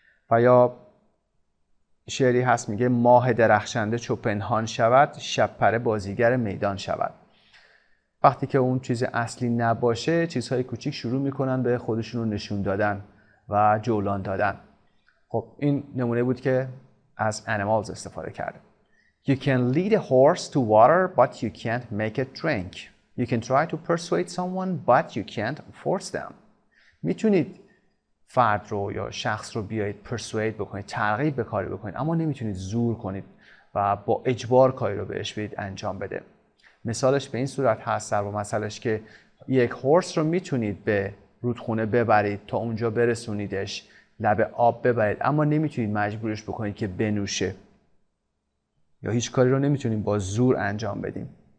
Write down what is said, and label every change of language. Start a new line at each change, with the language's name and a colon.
Persian: و یا شعری هست میگه ماه درخشنده چو پنهان شود، شب پره بازیگر میدان شود. وقتی که اون چیز اصلی نباشه، چیزهای کوچیک شروع میکنن به خودشون رو نشون دادن و جولان دادن. خب این نمونه بود که
English: as animals
Persian: استفاده کرد.
English: You can lead a horse to water but you can't make it drink. You can try to persuade someone but you can't force them.
Persian: میتونید فرد رو یا شخص رو بیایید persuade بکنید، ترغیب به کاری بکنید، اما نمیتونید زور کنید و با اجبار کاری رو بهش بدید انجام بده. مثالش به این صورت هست در مسئله‌اش که یک horse رو میتونید به رودخونه ببرید تا اونجا برسونیدش، لبه آب ببرید، اما نمیتونید مجبورش بکنید که بنوشه، یا هیچ کاری رو نمیتونیم با زور انجام بدیم.